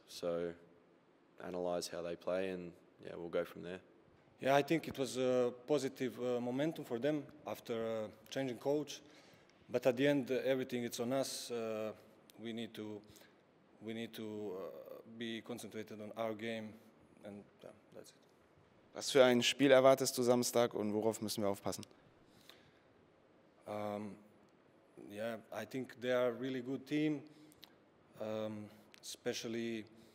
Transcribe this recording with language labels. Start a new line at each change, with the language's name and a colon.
English: So analyze how they play, and yeah, we'll go from there. Yeah, I think it was a positive momentum for them after changing coach. But at the end, everything is on us. We need to be concentrated on our game, and that's it.
German: Was für ein Spiel erwartest du Samstag und worauf müssen wir aufpassen?
English: I think they are a really good team, especially.